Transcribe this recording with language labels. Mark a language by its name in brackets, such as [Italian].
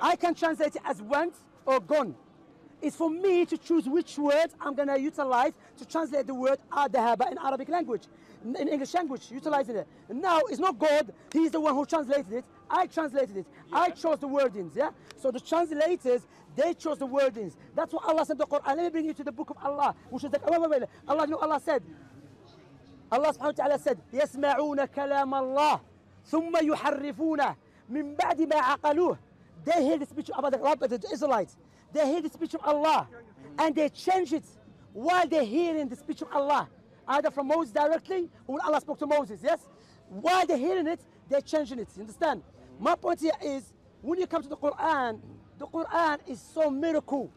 [English] I can translate it as went or gone. It's for me to choose which word I'm going to utilize to translate the word adhaba in Arabic language, in English language, utilizing it. Now, it's not God. He's the one who translated it. I translated it. Yeah. I chose the wordings, yeah? So the translators, they chose the wordings. That's what Allah said in the Quran. Let me bring you to the book of Allah, which is like, wait. Allah, you know what Allah said? Allah subhanahu wa ta'ala said, [Arabic] يَسْمَعُونَ كَلَامَ اللَّهِ ثُمَّ يُحَرِّفُونَ مِنْ بَعْدِ مَا عَقَلُوهِ. [English] They hear the speech about the Rabbah, the Israelites. They hear the speech of Allah, and they change it while they're hearing the speech of Allah, either from Moses directly or when Allah spoke to Moses, yes? While they're hearing it, they're changing it, you understand? My point here is, when you come to the Quran is so miracle.